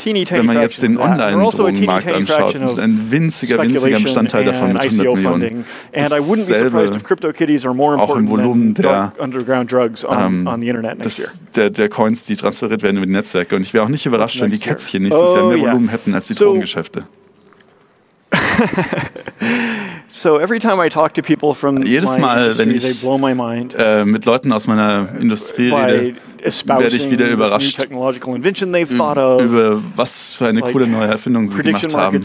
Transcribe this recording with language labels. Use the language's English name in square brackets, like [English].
[German] wenn man jetzt den Online-Drogenmarkt anschaut, ist ein winziger Bestandteil davon mit 100 Millionen. Dasselbe auch im Volumen der Coins, die transferiert werden über die Netzwerke. Und ich wäre auch nicht überrascht, wenn die Kätzchen nächstes Jahr mehr Volumen hätten als die Drogengeschäfte. [English] So every time I talk to people from [German] jedes Mal, wenn ich mit Leuten aus meiner Industrie rede, werde ich wieder überrascht über was für eine coole neue Erfindung sie gemacht haben.